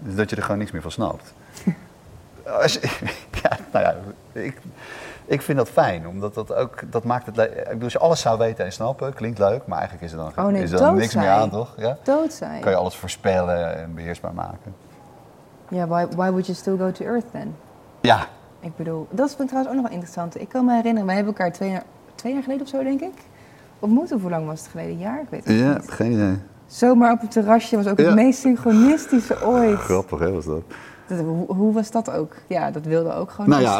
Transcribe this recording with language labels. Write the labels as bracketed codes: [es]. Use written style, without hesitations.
[nl] Dus dat je er gewoon niks meer van snapt. Als je, ja, nou ja, ik vind dat fijn, omdat dat ook, dat maakt het, ik bedoel, als je alles zou weten en snappen, klinkt leuk, maar eigenlijk is er dan niks meer aan, toch? Ja? Dood zijn. Kan je alles voorspellen en beheersbaar maken. [en] Ja, why would you still go to earth then? [nl] Ja. Ik bedoel, dat vind ik trouwens ook nog wel interessant. Ik kan me herinneren, we hebben elkaar twee jaar geleden of zo, denk ik. Of moet, of hoe lang was het geleden? Een jaar? Ik weet het niet. Ja, geen idee. Zomaar op het terrasje was ook het meest synchronistische ooit. Grappig, hè, was dat. Hoe was dat ook? Ja, dat wilde ook gewoon niet staan.